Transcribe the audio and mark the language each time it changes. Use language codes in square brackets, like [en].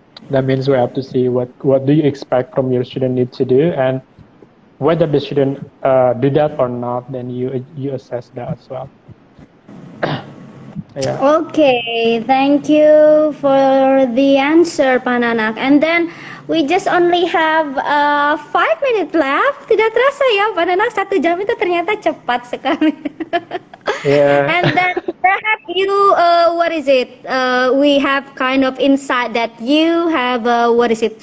[en] That means we have to see what do you expect from your student need to do, and whether the student do that or not, then you assess that as well. Yeah. Okay, thank you for the answer, Pananak. And then we just only have 5 minutes left. [id] Tidak terasa ya, Pananak. 1 jam itu ternyata cepat sekali. [en] Yeah. And then perhaps you, what is it? We have kind of insight that you have, what is it?